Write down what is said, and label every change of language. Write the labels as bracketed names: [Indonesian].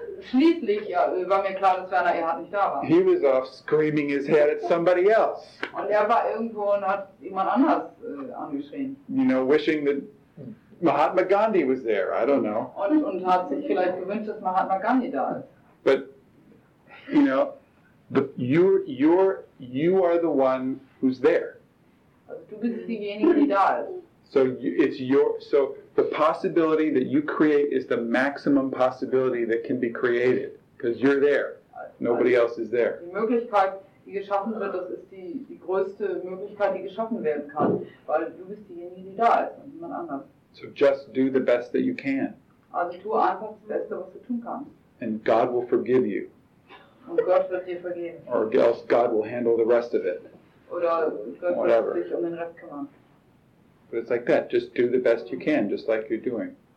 [German] Schließlich war mir klar, dass Werner Erhard nicht da war. [English] He was off screaming his head at somebody else. [German] Und war irgendwo und hat jemand anders angeschrien. [English] You know, wishing that Mahatma Gandhi was there. I don't know. [German] Und hat sich vielleicht gewünscht, dass Mahatma Gandhi da ist. [English] But you know, you are the one who's there. [German] Du bist diejenige, die da ist. [English] So the possibility that you create is the maximum possibility that can be created because you're there. Nobody else is there. [German] Die Möglichkeit, die geschaffen wird, das ist die größte Möglichkeit, die geschaffen werden kann, weil du bist diejenige, die da ist und niemand anders. [English] So just do the best that you can. [German] Also tu einfach das Beste, was du tun kannst. [English] And God will forgive you. [German] Und Gott wird dir vergeben. [English] Or else God will handle the rest of it. [German] Oder Gott Whatever. Wird sich um den Rest kümmern. [English] But it's like that. Just do the best you can, just like you're doing.